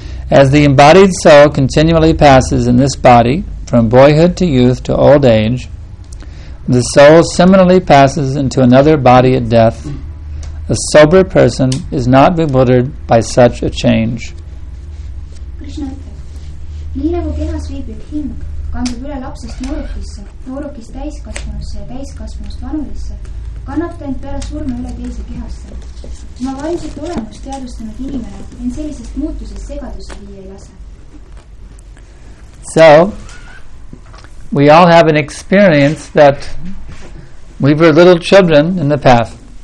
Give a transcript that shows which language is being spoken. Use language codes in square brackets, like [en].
[en] As the embodied soul continually passes in this body from boyhood to youth to old age, the soul similarly passes into another body at death. A sober person is not bewildered by such a change. [et] Krishna ütleb, nii nagu kehas viibib hing, kandub üle lapsest noorukisse, noorukist täiskasvanusse ja täiskasvanust vanulisse, kannab ta end peale surma üle teise kehasse. Oma vaimset olemust teadustanud inimene end sellisest muutusest segaduse viia ei lase. [en] So, we all have an experience that we were little children in the past.